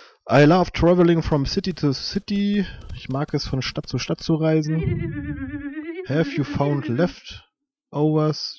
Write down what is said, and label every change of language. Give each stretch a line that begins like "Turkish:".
English: I love traveling from city to city.
German: Ich mag es, von Stadt zu Stadt zu reisen.
English: Have you found leftovers?